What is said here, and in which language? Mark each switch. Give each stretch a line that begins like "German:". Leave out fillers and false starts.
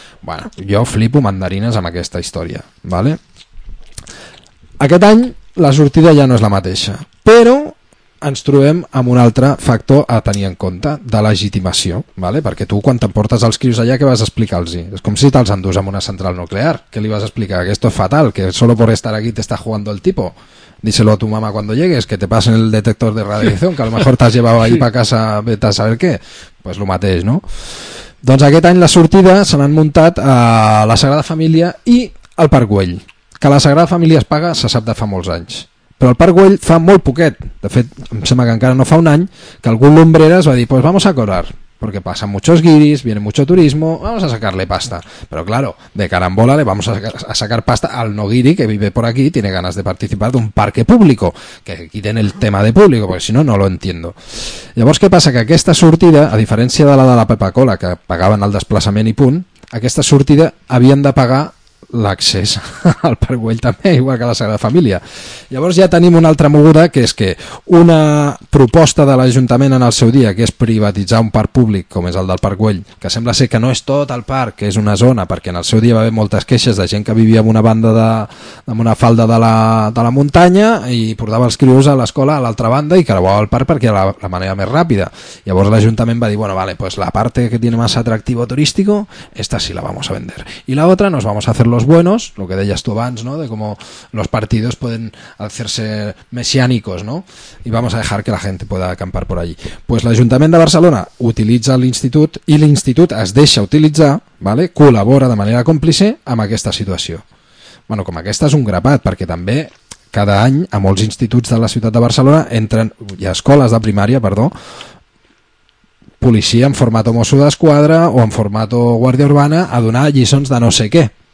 Catalan: Bueno, jo flipo mandarines amb aquesta història. Vale? Aquest any la sortida ja no és la mateixa, però... ens trobem amb un altre factor a tenir en compte, de legitimació, ¿vale? Perquè tu quan t'emportes els crios allà, què vas explicar-los? És com si te'ls endús en una central nuclear, què li vas explicar?
Spanish: Que esto es fatal, que solo por estar aquí te está jugando el tipo. Díselo a tu mamá cuando llegues, que te pasen el detector de radiación, que a lo mejor t'has llevado ahí para casa, vete a saber qué. Pues lo mateix, ¿no?
Catalan: Doncs aquest any la sortida se l'han muntat a la Sagrada Família i al Parc Güell. Que la Sagrada Família es paga se sap de fa molts anys. Però el Parc Güell fa molt poquet, de fet, em sembla que encara no fa un any, que algun lumbrera es va dir,
Spanish: pues vamos a cobrar, porque pasan muchos guiris, viene mucho turismo, vamos a sacarle pasta. Pero claro, de carambola le vamos a sacar pasta al no guiri que vive por aquí, tiene ganas de participar de un parque público, que quiten el tema de público, porque si no, no lo entiendo.
Catalan: Llavors, què passa? Que aquesta sortida, a diferència de la de la Pepa Cola, que pagaven el desplaçament i punt, aquesta sortida havien de pagar... l'accés al Parc Güell també, igual que a la Sagrada Família. Llavors ja tenim una altra moguda, que és que una proposta de l'Ajuntament en el seu dia, que és privatitzar un parc públic com és el del Parc Güell, que sembla ser que no és tot el parc, que és una zona, perquè en el seu dia va haver moltes queixes de gent que vivia en una banda de, en una falda de la muntanya i portava els crios a l'escola a l'altra banda i creuava el parc perquè era la manera més ràpida. Llavors l'Ajuntament va dir, bueno, vale,
Spanish: pues la parte que tiene más atractivo turístico, esta sí la vamos a vender. Y la otra nos vamos a hacer los buenos,
Catalan: lo que deies tu abans,
Spanish: ¿no? De cómo los partidos pueden hacerse mesiánicos, ¿no? Y vamos a dejar que la gente pueda acampar por allí.
Catalan: Pues l'Ajuntament de Barcelona utilitza l'institut i l'institut es deixa utilitzar, ¿vale? Col·labora de manera còmplice amb aquesta situació. Bueno, com aquesta és un grapat, perquè també cada any a molts instituts de la ciutat de Barcelona entren, hi ha escoles de primària, perdó, policia en formato mosso d'esquadra o en formato guàrdia urbana a donar lliçons de no sé què.